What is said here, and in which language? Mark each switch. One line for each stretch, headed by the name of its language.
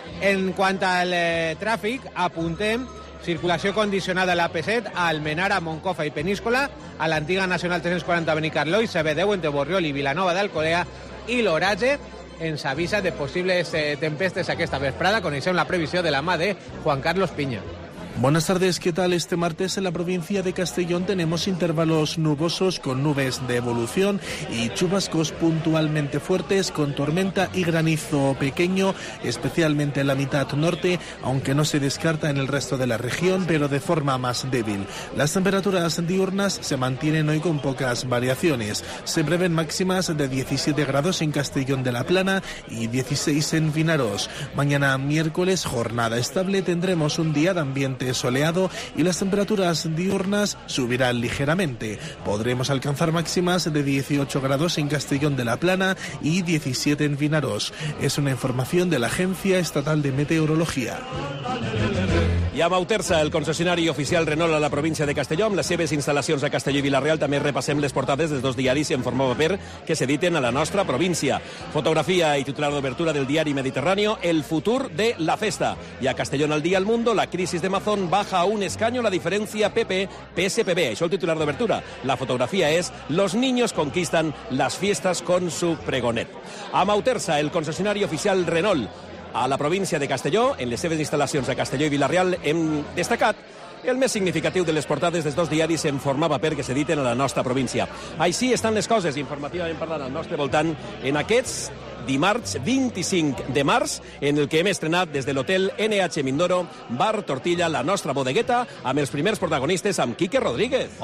Catalan: En quant al tràfic, apuntem circulació condicionada a l'AP7, a Almenara, Moncofa i Peníscola, a l'antiga Nacional 340 Benicarló i CB10 entre Borriol i Vilanova d'Alcolea, i l'Horatge ens avisa de possibles tempestes aquesta vesprada. Coneixem la previsió de la mà de Juan Carlos Piña.
Spanish: Buenas tardes, ¿qué tal? Este martes en la provincia de Castellón tenemos intervalos nubosos con nubes de evolución y chubascos puntualmente fuertes con tormenta y granizo pequeño, especialmente en la mitad norte, aunque no se descarta en el resto de la región, pero de forma más débil. Las temperaturas diurnas se mantienen hoy con pocas variaciones. Se prevén máximas de 17 grados en Castellón de la Plana y 16 en Vinaroz. Mañana miércoles, jornada estable, tendremos un día de ambiente soleado y las temperaturas diurnas subirán ligeramente. Podremos alcanzar máximas de 18 grados en Castellón de la Plana y 17 en Vinaroz. Es una información de la Agencia Estatal de Meteorología.
Catalan: I amb Auterza, el concessionari oficial Renault a la província de Castelló, amb les seves instal·lacions a Castelló i Vila-real, també repassem les portades dels dos diaris en forma paper que s'editen a la nostra província. Fotografia i titular d'obertura del diari Mediterrani, el futur de la festa. I a Castelló al dia al Mundo, la crisi de Mazón.
Spanish: Borbón baja a un escaño la diferencia PP-PSPB. Es el titular de abertura. La fotografía es los niños conquistan las fiestas con su pregonet.
Catalan: A Mauterza, el concesionario oficial Renault, a la provincia de Castelló, en les seves instal·lacions de Castelló i Vila-real, hem destacat el més significatiu de les portades dels dos diaris en format paper que s'editen a la nostra província. Així estan les coses, informativament parlant, al nostre voltant, en aquests dimarts 25 de març, en el que hem estrenat des de l'hotel NH Mindoro, Bar Tortilla, la nostra bodegueta, amb els primers protagonistes, amb Quique Rodríguez.